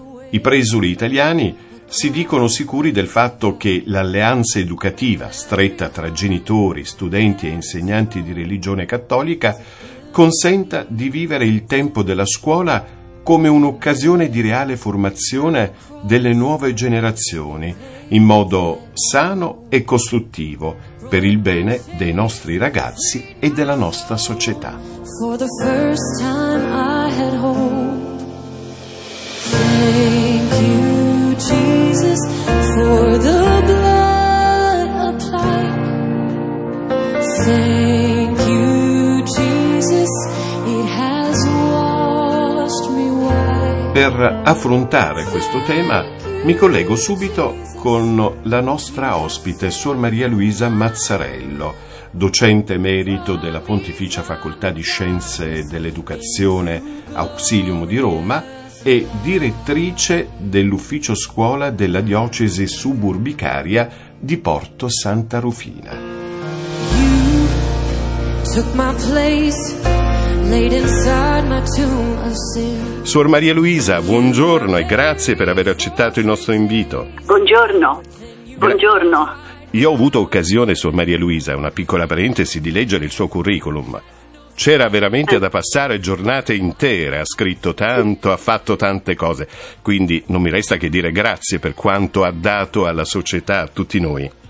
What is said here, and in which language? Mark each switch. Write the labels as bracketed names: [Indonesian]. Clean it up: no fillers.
[Italian] I presuri italiani si dicono sicuri del fatto che l'alleanza educativa stretta tra genitori, studenti e insegnanti di religione cattolica consenta di vivere il tempo della scuola come un'occasione di reale formazione delle nuove generazioni in modo sano e costruttivo per il bene dei nostri ragazzi e della nostra società. [English] For the first time I had hope. Thank you. Jesus, for the blood applied. Thank you, Jesus, it has washed me white. [Italian] Per affrontare questo tema mi collego subito con la nostra ospite, Suor Maria Luisa Mazzarello, docente emerito della Pontificia Facoltà di Scienze dell'Educazione Auxilium di Roma e direttrice dell'ufficio scuola della diocesi suburbicaria di Porto Santa Rufina. [English] You took my place, laid inside my tomb of sin. [Italian] Suor Maria Luisa, buongiorno e grazie per aver accettato il nostro invito. Buongiorno, buongiorno. Io ho avuto occasione, Suor Maria Luisa, una piccola parentesi, di leggere il suo curriculum. C'era veramente da passare giornate intere, ha scritto tanto, ha fatto tante cose, quindi non mi resta che dire grazie per quanto ha dato alla società, a tutti noi.